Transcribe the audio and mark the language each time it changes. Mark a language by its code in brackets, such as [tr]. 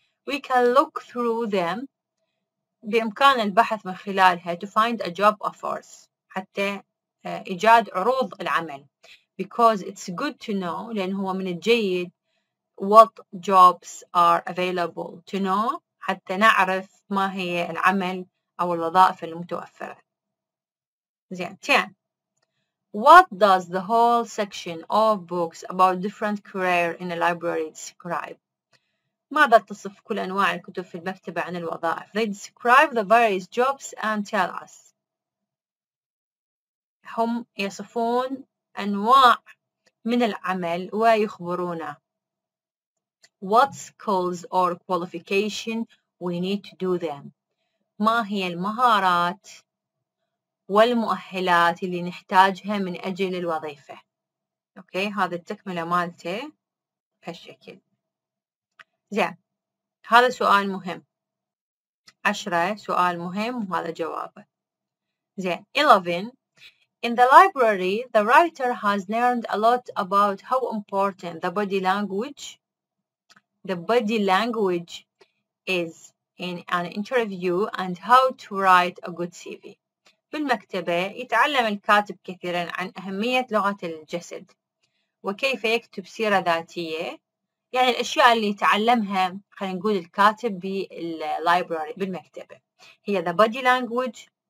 [en] We can look through them, [ar] بإمكان البحث من خلالها, [en] to find a job offers, [ar] حتى إيجاد عروض العمل. [en] Because it's good to know, [ar] لأنه هو من الجيد, [en] what jobs are available to know, [ar] حتى نعرف ما هي العمل أو الوظائف المتوفرة. زين, 10. [en] What does the whole section of books about different careers in a library describe? [ar] ماذا تصف كل أنواع الكتب في المكتبة عن الوظائف؟ [en] They describe the various jobs and tell us. [ar] هم يصفون أنواع من العمل ويخبرونا. [en] What skills or qualification we need to do them? [ar] ما هي المهارات والمؤهلات اللي نحتاجها من أجل الوظيفة؟ أوكي، هذا التكملة مالته بهالشكل. زين، هذا سؤال مهم. 10 سؤال مهم وهذا جوابه. زين، 11. [en] In the library, the writer has learned a lot about how important the body language is in an interview and how to write a good CV. [ar] بالمكتبة يتعلم الكاتب كثيرا عن أهمية لغة الجسد وكيف يكتب سيرة ذاتية، يعني الأشياء اللي يتعلمها خلينا نقول الكاتب باللايبراري بالمكتبة هي [en] the body language.